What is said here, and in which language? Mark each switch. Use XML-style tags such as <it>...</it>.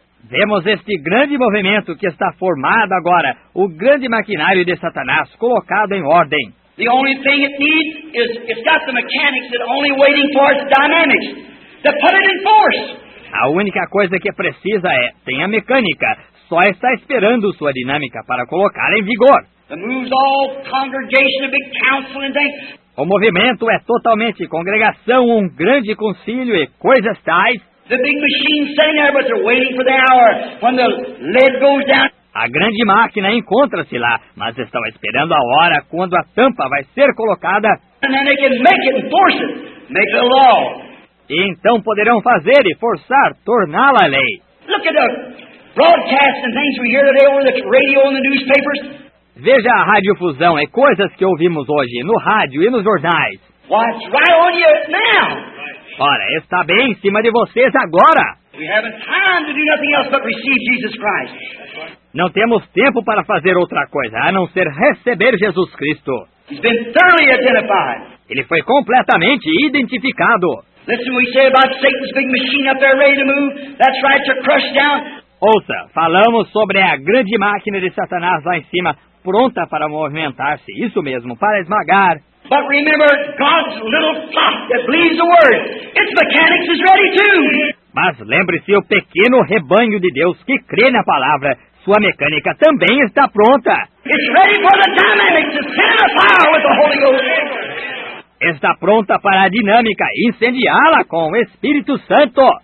<pt>Vemos este grande movimento que está formado agora, o grande maquinário de Satanás colocado em ordem.</pt> <en>The only thing it needs is it's got the mechanics that are only waiting for its dynamics to put it in force.</en> <pt>A única coisa que precisa é tem a mecânica, só está esperando sua dinâmica para colocar em vigor.</pt> <en>It moves all congregation, a big council and things.</en> <pt>O movimento é totalmente congregação, um grande concílio e coisas tais.</pt> <en>The big machine sitting there, but they're waiting for the hour when the lid goes down.</en> <pt>A grande máquina encontra-se lá, mas estão esperando a hora quando a tampa vai ser colocada.</pt> <en>And then they can make it and force it, make the law.</en> <pt>E então poderão fazer e forçar, torná-la lei.</pt> <en>Look at the broadcasts and things we hear today over the radio and the newspapers.</en> <pt>Veja a radiofusão e coisas que ouvimos hoje no rádio e nos jornais.</pt> <en>What's right on you now?</en> <pt>Ora, está bem em cima de vocês agora.</pt> <en>We haven't time to do nothing else but receive Jesus Christ.</en> <pt>Não temos tempo para fazer outra coisa, a não ser receber Jesus Cristo.</pt> <en>He's been thoroughly identified.</en> <pt>Ele foi completamente identificado.</pt> <en>Listen, we say about Satan's big machine up there ready to move. That's right, to crush down.</en> <pt>Ouça, falamos sobre a grande máquina de Satanás lá em cima, pronta para movimentar-se, isso mesmo, para esmagar.</pt> <en>But remember, God's little flock that believes the word, its mechanics is ready too.</en> <pt>Mas lembre-se, o pequeno rebanho de Deus que crê na palavra, sua mecânica também está pronta.</pt> <en>It's ready for the dynamics to set on fire with the Holy Ghost.</en> <pt>Está pronta para a dinâmica incendiá-la com o Espírito Santo.</pt>